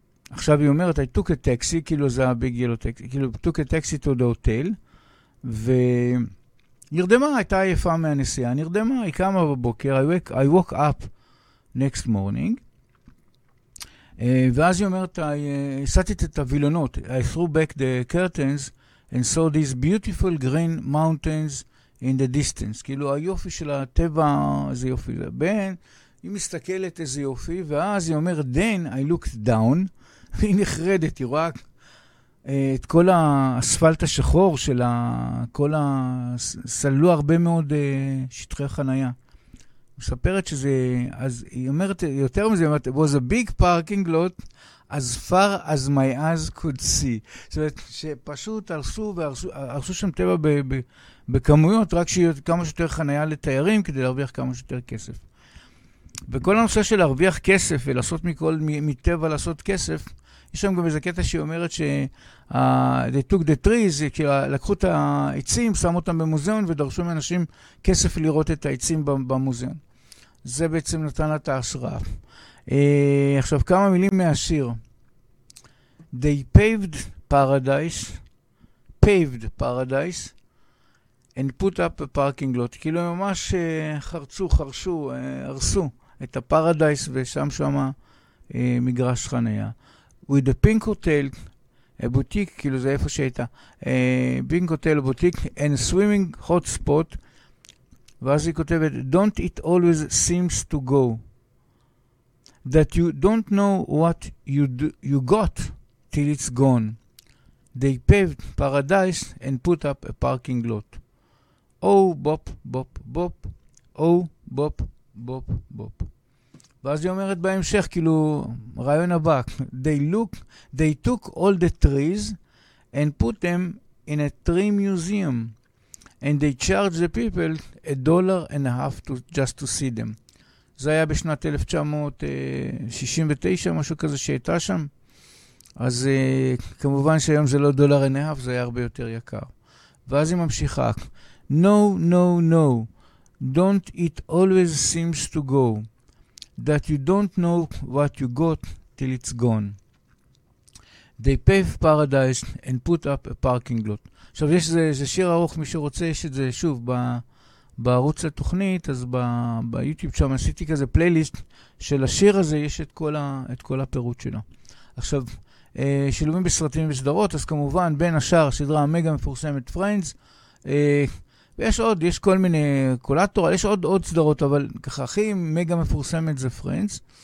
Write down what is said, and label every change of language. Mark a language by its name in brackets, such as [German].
[Hebrew] עכשיו היא אומרת, [English] I took a taxi, [Hebrew] כאילו זה היה [English] big yellow taxi, כאילו took a taxi to the hotel, [Hebrew] ונרדמה, הייתה עייפה מהנסיעה, נרדמה, היא קמה בבוקר, [English] I woke up next morning, [Hebrew] ואז היא אומרת, [English] I sat it at the vilonot, I threw back the curtains, and saw these beautiful green mountains in the distance. [Hebrew] כאילו, היופי של הטבע, זה יופי. בן, היא מסתכלת איזה יופי, ואז היא אומרת, [English] then I looked down, [Hebrew] והיא נחרדת, היא רואה את כל האספלט השחור של כל סללו הרבה מאוד שטחי חנייה. מספרת שזה, אז היא אומרת, [English] יותר מזה, היא אומרת, it was a big parking lot, as far as my eyes could see. [Hebrew] זאת אומרת, שפשוט הרסו והרסו שם טבע בכמויות, רק שיהיו כמה שיותר חנייה לתיירים, כדי להרוויח כמה שיותר כסף. וכל הנושא של להרוויח כסף, ולעשות מטבע לעשות כסף, יש שם גם איזה קטע שהיא אומרת, [English] they took the trees, [Hebrew] לקחו את העצים, שמו אותם במוזיאון, ודרשו מאנשים כסף לראות את העצים במוזיאון. זה בעצם נתן לה את ההשראה. עכשיו כמה מילים מהשיר. [English] They paved paradise, paved paradise, and put up a parking lot. [Hebrew] כאילו ממש חרצו, הרסו את הפרדייס, ושם שמה מגרש חניה. [English] With the pink hotel, a boutique, [Hebrew] כאילו זה איפה שהייתה, [English] pink hotel, a boutique, and a swimming hot spot, [Hebrew] ואז היא כותבת, [English] don't it always seems to go, that you don't know what you do, you got till it's gone. They paved paradise and put up a parking lot. Oh, bop, bop, bop. Oh, bop, bop, bop. [Hebrew] ואז היא אומרת בהמשך, כאילו, רעיון הבא, [English] they took all the trees and put them in a tree museum and they charged the people $1.50 to, just to see them. [Hebrew] זה היה בשנת 1969, משהו כזה שהייתה שם. אז כמובן שהיום זה לא דולר ונהף, זה היה הרבה יותר יקר. ואז היא ממשיכה. [English] No, no, no. Don't it always seems to go. That you don't know what you got till it's gone. They paved paradise and put up a parking lot. [Hebrew] עכשיו יש זה, זה שיר ארוך, מי שרוצה יש את זה שוב ב... בערוץ התוכנית, אז ביוטיוב שם עשיתי כזה פלייליסט של השיר הזה, יש את כל, את כל הפירוט שלו. עכשיו, שילובים בסרטים ובסדרות, אז כמובן, בין השאר, סדרה המגה מפורסמת פרנדס, ויש עוד, יש כל מיני קולטור, יש עוד, עוד סדרות, אבל ככה הכי מגה מפורסמת זה פרנדס.